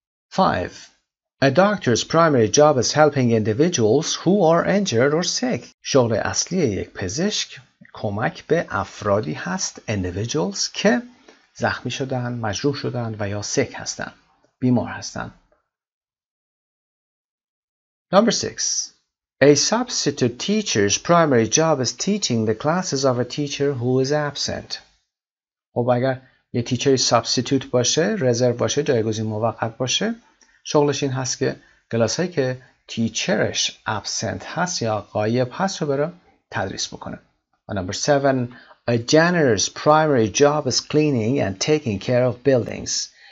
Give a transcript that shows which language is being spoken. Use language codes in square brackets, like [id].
[en] 5. A doctor's primary job is helping individuals who are injured or sick. [fa] شغل اصلی یک پزشک کمک به افرادی هست، individuals که زخمی شدن، مجروح شدن و یا sick هستن، بیمار هستن. [en] Number 6. A substitute teacher's primary job is teaching the classes of a teacher who is absent. [fa] خب اگر یه تیچری سابستیتوت باشه، رزرو باشه، جایگزین موقت باشه، شغلش این هست که کلاسایی که تیچرش absent هست یا غایب هست رو بره تدریس بکنه. [en] Number 7, a janitor's primary job is cleaning and taking care of buildings.